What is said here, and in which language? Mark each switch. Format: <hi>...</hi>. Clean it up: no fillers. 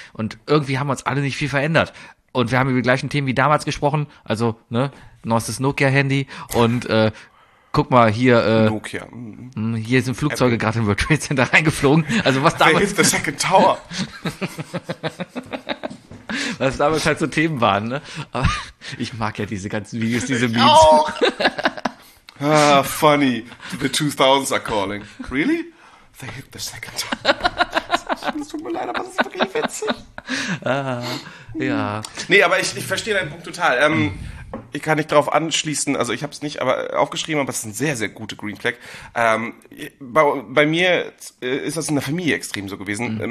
<de>Und irgendwie haben wir uns alle nicht viel verändert. Und wir haben über die gleichen Themen wie damals gesprochen, also ne, neuestes Nokia-Handy und guck mal hier, Nokia. Hier sind Flugzeuge gerade im World Trade Center reingeflogen, also was damals...</de> <en>Hey, the second tower.</en> <de>Was damals halt so Themen waren, ne? Aber ich mag ja diese ganzen Videos, diese Memes. Ich auch.</de> <en>Ah, funny, the 2000s are calling. Really? They hit the second tower.</en> <de>Das tut mir leid, aber das ist wirklich witzig. Ah, ja. Nee, aber ich verstehe deinen Punkt total. Ich kann nicht darauf anschließen, also ich habe es nicht aber aufgeschrieben, aber es ist ein sehr, sehr guter Green Flag. Bei mir ist das in der Familie extrem so gewesen. Mhm.</de>